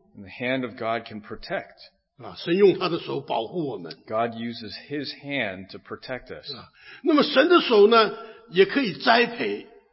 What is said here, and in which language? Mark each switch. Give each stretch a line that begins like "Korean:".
English: and the hand of God can protect.
Chinese: 啊, 神用他的手保护我们,
English: God uses his hand to protect us. 啊,
Chinese: 那么神的手呢, 也可以栽培,